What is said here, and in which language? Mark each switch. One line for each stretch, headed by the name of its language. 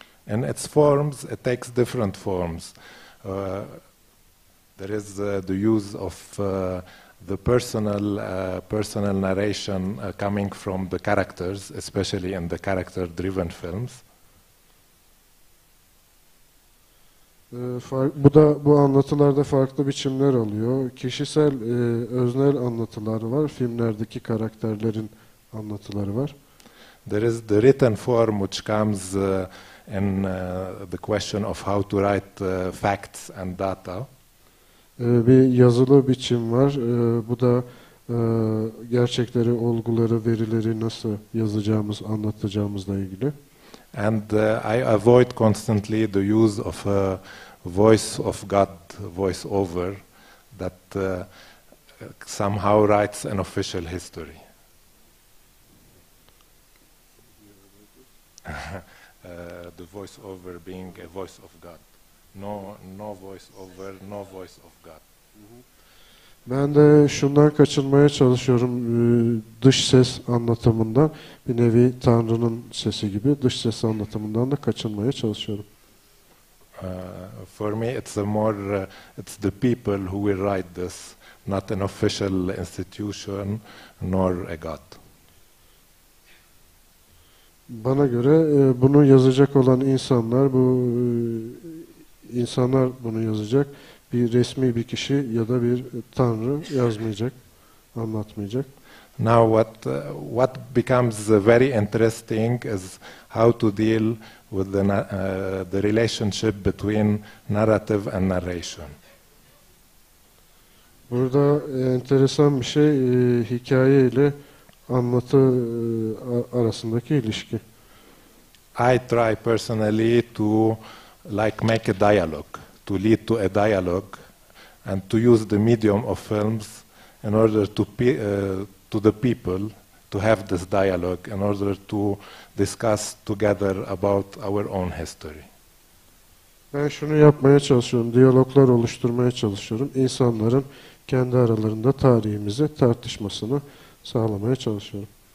English: And its forms, it takes different forms. There is the use of the personal narration coming from the characters, especially in the character-driven films.
Turkish: Bu da bu anlatılarda farklı biçimler alıyor. Kişisel öznel anlatılar var. Filmlerdeki karakterlerin anlatıları var.
English: There is the written form which comes in the question of how to write facts and data.
Turkish: Bir yazılı biçim var. Bu da gerçekleri, olguları, verileri nasıl yazacağımız, anlatacağımızla ilgili.
English: And I avoid constantly the use of a voice of God, voice over, that somehow writes an official history. The voice over being a voice of God. No voice over, no voice of God.
Turkish: Ben de şundan kaçınmaya çalışıyorum, dış ses anlatımından, bir nevi Tanrı'nın sesi gibi dış ses anlatımından da kaçınmaya çalışıyorum.
English: For me, it's a more it's the people who will write this, not an official institution nor a god.
Turkish: Bana göre bunu yazacak olan insanlar, bu insanlar bunu yazacak. Bir resmi bir kişi ya da bir tanrı yazmayacak, anlatmayacak.
English: Now what becomes very interesting is how to deal with the relationship between narrative and narration.
Turkish: Burada enteresan bir şey hikaye ile anlatı arasındaki ilişki.
English: I try personally to like make a dialogue, to lead to a dialogue and to use the medium of films in order to the people to have this dialogue in order to discuss together about our own history.
Turkish: Ben şunu yapmaya çalışıyorum, diyaloglar oluşturmaya çalışıyorum. İnsanların kendi aralarında tarihimizi tartışmasını sağlamaya çalışıyorum.